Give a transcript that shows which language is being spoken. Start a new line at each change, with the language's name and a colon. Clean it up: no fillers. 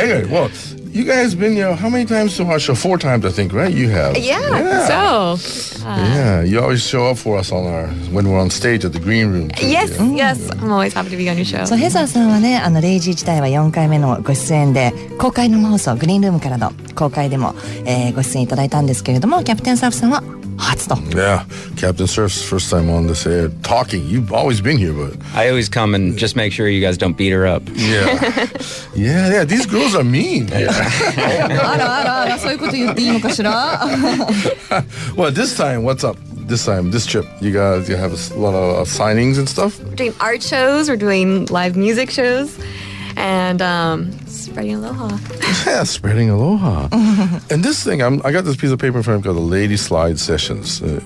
English: Well, you guys been, how many times to our show? Four times, I think, right? You have. Yeah, you always show up for us when we're on stage at the green room. Too, yes, yes. I'm always happy to be on your show.
Japanese: So, Heather さんはね、レイジー自体は4回目のご出演で、公開の放送、グリーンルームからの公開でも、ご出演いただいたんですけれども、キャプテンサーフさんは初と。
English: Yeah, Captain Surf's first time on this air talking. You've always been here, but... I always come and just make sure you guys don't beat her up. Yeah. Yeah, these girls are mean.
Japanese: そういうこと言っていいのかしら?
English: Well, this time, what's up? This time, this trip, you guys, you have a lot of signings and stuff? We're doing art shows, we're doing live music shows, and spreading aloha. Yeah, spreading aloha. And this thing, I got this piece of paper in front of me called the Lady Slide Sessions.